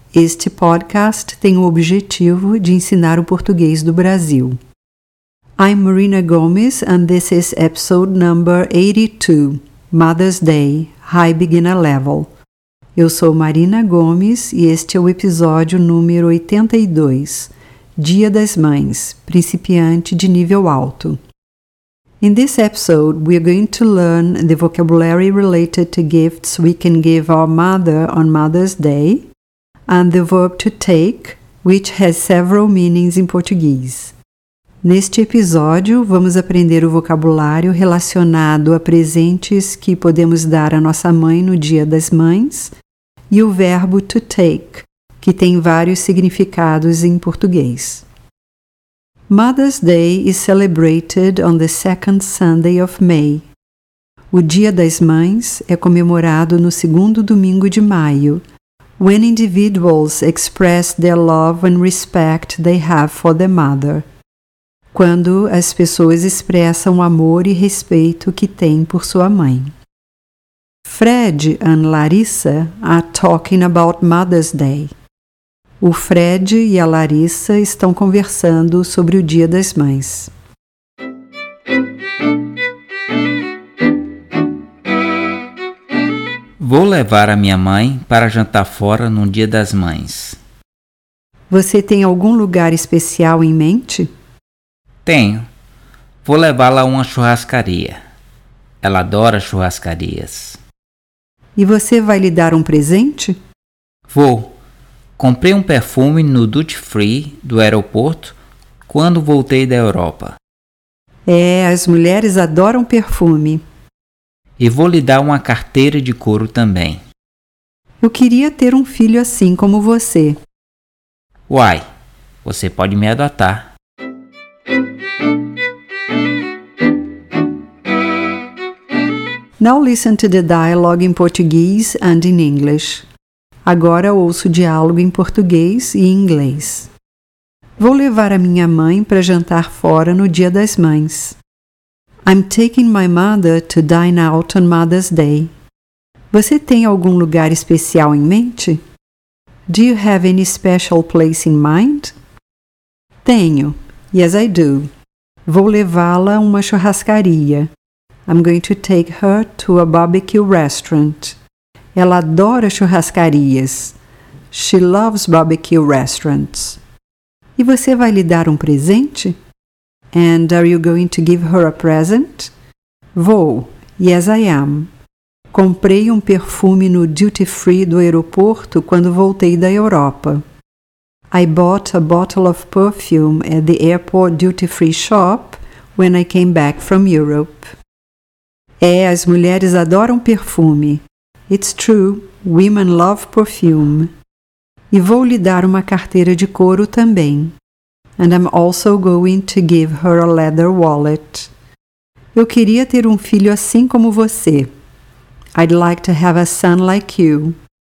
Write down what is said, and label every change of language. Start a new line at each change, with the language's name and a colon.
Portuguese: Este podcast tem o objetivo de ensinar o português do Brasil.
English: I'm Marina Gomes and this is episode number 82, Mother's Day, High Beginner Level.
Portuguese: Eu sou Marina Gomes e este é o episódio número 82, Dia das Mães, Principiante de Nível Alto.
English: In this episode, we are going to learn the vocabulary related to gifts we can give our mother on Mother's Day and the verb to take, which has several meanings in Portuguese.
Portuguese: Neste episódio, vamos aprender o vocabulário relacionado a presentes que podemos dar à nossa mãe no Dia das Mães e o verbo to take, que tem vários significados em português.
English: Mother's Day is celebrated on the second Sunday of May.
Portuguese: O Dia das Mães é comemorado no segundo domingo de maio,
English: when individuals express their love and respect they have for their mother.
Portuguese: Quando as pessoas expressam o amor e respeito que têm por sua mãe.
English: Fred and Larissa are talking about Mother's Day.
Portuguese: O Fred e a Larissa estão conversando sobre o Dia das Mães. Vou levar a minha mãe para jantar fora no Dia das Mães. Você tem algum lugar especial em mente? Tenho. Vou levá-la a uma churrascaria. Ela adora churrascarias. E você vai lhe dar um presente? Vou. Comprei um perfume no Duty Free do aeroporto quando voltei da Europa. É, as mulheres adoram perfume. E vou lhe dar uma carteira de couro também. Eu queria ter um filho assim como você. Uai, você pode me adotar.
English: Now listen to the dialogue in Portuguese and in English.
Portuguese: Agora ouço o diálogo em português e em inglês. Vou levar a minha mãe para jantar fora no Dia das Mães.
English: I'm taking my mother to dine out on Mother's Day.
Portuguese: Você tem algum lugar especial em mente?
English: Do you have any special place in mind?
Portuguese: Tenho.
English: Yes, I do.
Portuguese: Vou levá-la a uma churrascaria.
English: I'm going to take her to a barbecue restaurant.
Portuguese: Ela adora churrascarias.
English: She loves barbecue restaurants.
Portuguese: E você vai lhe dar um presente?
English: And are you going to give her a present?
Portuguese: Vou.
English: Yes, I am.
Portuguese: Comprei um perfume no Duty Free do aeroporto quando voltei da Europa.
English: I bought a bottle of perfume at the airport Duty Free shop when I came back from Europe.
Portuguese: É, as mulheres adoram perfume.
English: It's true, women love perfume.
Portuguese: E vou lhe dar uma carteira de couro também.
English: And I'm also going to give her a leather wallet.
Portuguese: Eu queria ter um filho assim como você.
English: I'd like to have a son like you.